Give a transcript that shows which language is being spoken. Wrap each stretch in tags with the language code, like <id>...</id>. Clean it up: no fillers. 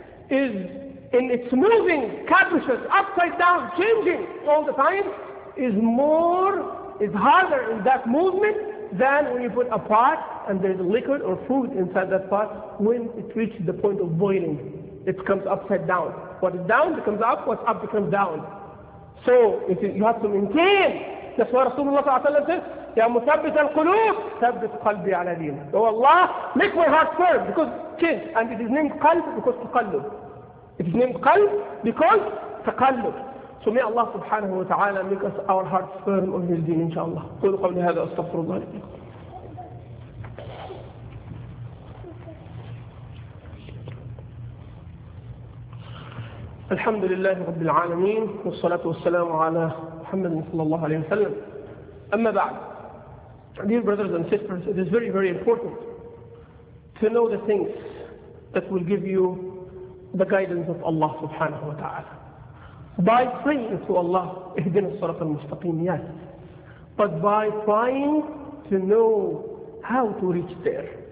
<en>is in its moving, capricious, upside down, changing all the time, is harder in that movement than when you put a pot and there's liquid or food inside that pot. When it reaches the point of boiling, it comes upside down. What is down becomes up, what's up becomes down. So, you have to maintain. That's why Rasulullah</en> <ar>صلى الله عليه وسلم</ar> <en>says,</en> <ar>يَا مُثَبِّتَ الْقُلُوبِ ثَبِّتْ قَلْبِي عَلَى دِينِ.</ar> <en>Oh Allah, make my heart firm, because change. And it is named قلب because تقلب. It is named qalb because taqallub. So may Allah subhanahu wa ta'ala make us our hearts firm on his deen, inshaAllah.</en> <ar>قُلُوا قَوْلِ هَذَا أَسْتَغْفِرُ اللَّهِ لَكُمْ. الحمد لله رب العالمين والصلاة والسلام على محمد صلى الله عليه وسلم. أما بعد,</ar> <en>dear brothers and sisters, it is very, very important to know the things that will give you the guidance of Allah subhanahu wa ta'ala. By praying to Allah,</en> <ar>اهدنا الصراط المستقيم,</ar> <en>yes. But by trying to know how to reach there.</en>